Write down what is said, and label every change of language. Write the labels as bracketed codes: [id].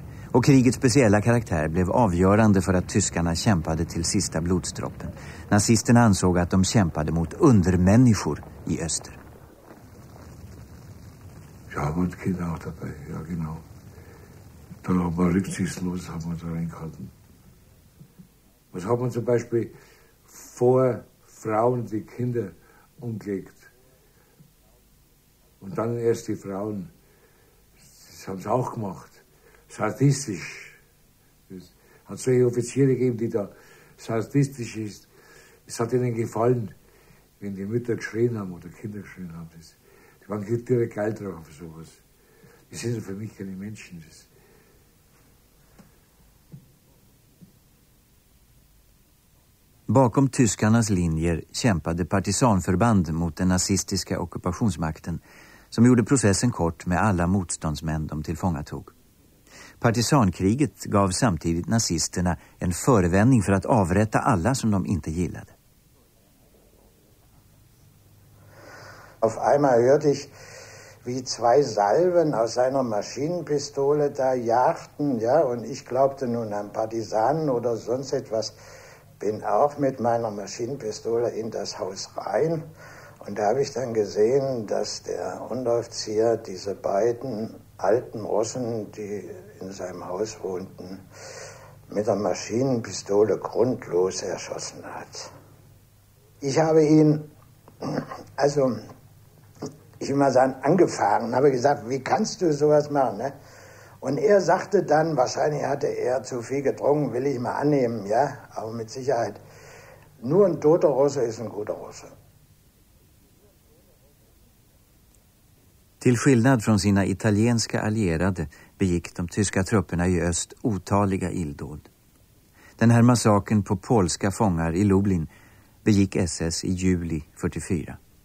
[sv] Och krigets speciella karaktär blev avgörande för att tyskarna kämpade till sista blodsdroppen. Nazisterna ansåg att de kämpade mot undermänniskor i öster. Jag har inte [de] gedacht dabei, ja genau. Dann aber rücksichtslos haben wir da reingehalten. Was haben wir zum Beispiel vor Frauen die Kinder umgelegt? Und dann erst die Frauen. Das haben sie auch gemacht. Sadistisch. Es hat solche Offiziere gegeben, die da sadistisch ist. Es hat ihnen gefallen, wenn die Mütter geschrien haben oder Kinder geschrien haben. Das, die waren direkt geil drauf auf sowas. Die sind für mich keine Menschen. Das, [sv] bakom tyskarnas linjer kämpade partisanförband mot den nazistiska ockupationsmakten, som gjorde processen kort med alla motståndsmän de tillfångatog. Partisankriget gav samtidigt nazisterna en förevändning för att avrätta alla som de inte gillade. [de] Auf einmal hörte ich, wie zwei Salven aus seiner Maschinenpistole da jagten, ja, und ich glaubte nun an Partisanen oder sonst etwas. Bin auch mit meiner Maschinenpistole in das Haus rein. Und da habe ich dann gesehen, dass der Unteroffizier diese beiden alten Russen, die in seinem Haus wohnten, mit der Maschinenpistole grundlos erschossen hat. Ich habe ihn, also, ich will mal sagen, angefahren, habe gesagt, wie kannst du sowas machen, ne? Und er sagte dann, wahrscheinlich hatte er zu viel getrunken, will ich mal annehmen, ja, aber mit Sicherheit, nur ein toter Russe ist ein guter Russe. [sv] Till skillnad från sina italienska allierade begick de tyska trupperna i öst otaliga illdåd. Den här massaken på polska fångar i Lublin begick SS i juli 44.